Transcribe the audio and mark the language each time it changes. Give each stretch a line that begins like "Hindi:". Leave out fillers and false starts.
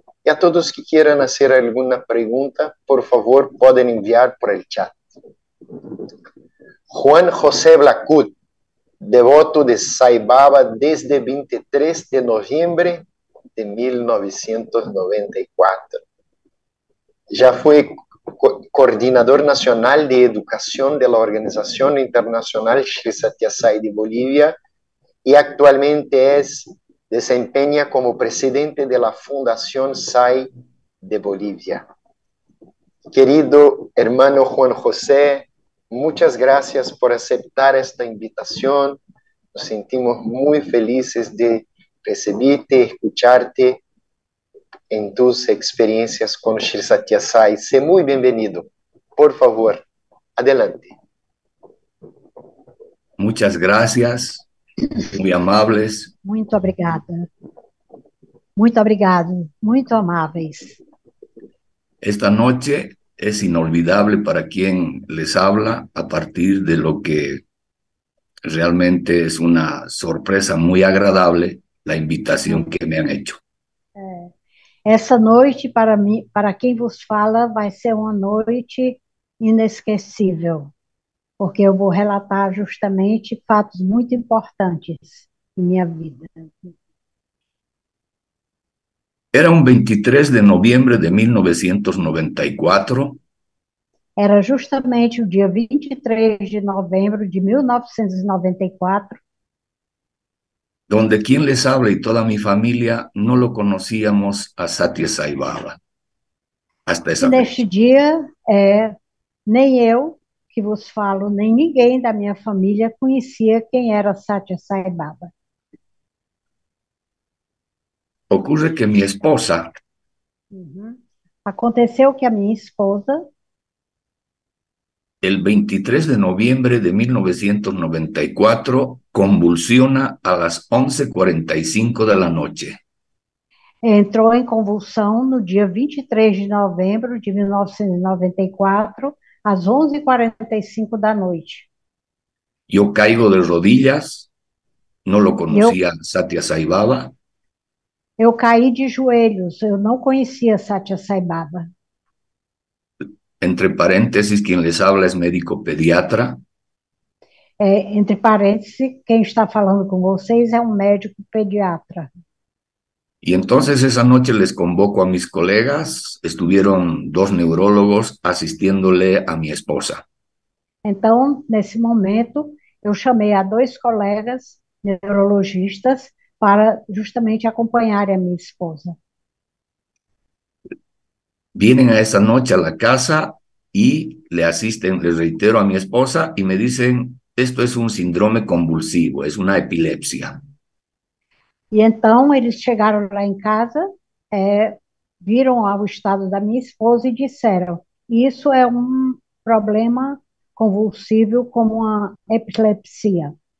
Spanish: Y a todos que quieran hacer alguna pregunta, por favor, pueden enviar por el chat. Juan José Lacut, devoto de Sai Baba desde 23 de noviembre de 1994.
Portuguese: Já foi coordenador nacional de educação da Organização Internacional Shri Satya Sai de Bolívia e atualmente desempenha como presidente da Fundação Sai de Bolívia.
Spanish: Querido hermano Juan José, muchas gracias por aceptar esta invitación. Nos sentimos muy felices de recibirte, escucharte en tus experiencias con Shri Satya Sai. Sé muy bienvenido. Por favor, adelante. Muchas gracias, muy amables.
Portuguese: Muito obrigada. Muito obrigado. Muito amáveis.
Spanish: Esta noche es inolvidable para quien les habla a partir de lo que realmente es una sorpresa muy agradable, la invitación que me han hecho.
Portuguese: Essa noite para mim, para quem vos fala, vai ser uma noite inesquecível, porque eu vou relatar justamente fatos muito importantes em minha vida.
Spanish: Era un 23 de noviembre de 1994.
Portuguese: Era justamente o dia 23 de novembro de 1994.
Spanish: Donde quien les habla y toda mi familia no lo conocíamos a Satya Sai Baba hasta
Portuguese: E
Spanish: esa
Portuguese: neste
Spanish: fecha.
Portuguese: dia, nem eu que vos falo, nem ninguém da minha família conhecia quem era Satya Sai Baba.
Spanish: Ocurre que mi esposa,
Portuguese: Aconteceu que a minha esposa,
Spanish: el 23 de noviembre de 1994, convulsiona a las 11:45 de la noche.
Portuguese: entrou em convulsão no dia 23 de novembro de 1994, às 11h45 da noite.
Spanish: Yo caigo de rodillas, no lo conocía Satya Sai Baba.
Portuguese: Eu caí de joelhos, eu não conhecia Satya Sai Baba.
Spanish: Entre paréntesis, quien les habla es médico pediatra.
Portuguese: Entre parênteses, quem está falando com vocês é um médico pediatra.
Spanish: Y entonces esa noche les convoco a mis colegas, estuvieron dos neurólogos asistiéndole a mi esposa.
Portuguese: Então, nesse momento, eu chamei a dois colegas neurologistas para justamente acompanhar a minha esposa.
Spanish: Vienen a esa noche a la casa y le asisten, les reitero a mi esposa y me dicen, esto es un síndrome convulsivo, es una epilepsia.
Portuguese: E então eles chegaram lá em casa, viram o estado da minha esposa e disseram: isso é um problema convulsivo como a epilepsia.